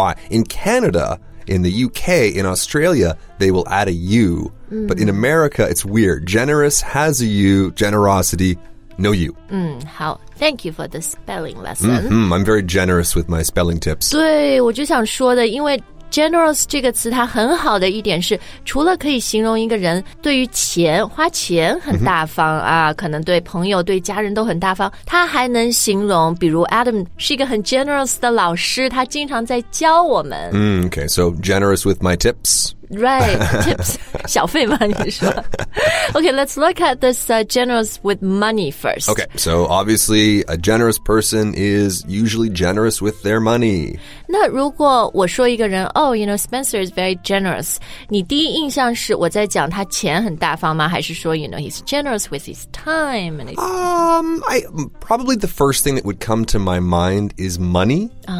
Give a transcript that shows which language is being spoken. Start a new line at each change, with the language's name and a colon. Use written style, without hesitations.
English: In Canada, in the UK, in Australia, they will add a U. But in America, it's weird. Generous has a U, generosity, no U. How? Thank you for the spelling lesson. I'm very generous with my spelling tips.
Chinese: 对，我就想说的，因为 generous 这个词它很好的一点是，除了可以形容一个人对于钱花钱很大方啊，可能对朋友对家人都很大方，它还能形容，比如 Adam 是一个很 generous 的老师，他经常在教我们。
English: Okay, so generous with my tips. Right, tips,
Chinese: 小费吗你说
English: Okay, let's look at this generous with money first. Okay, so obviously a generous person is usually generous with their money.
Chinese: 那如果我说一个人
English: Oh, you know, Spencer is very generous.
Chinese: 你第一印象是我在讲他钱很大方吗还是说
English: you know, he's generous with his time? And his- Probably the first thing that would come to my mind is money.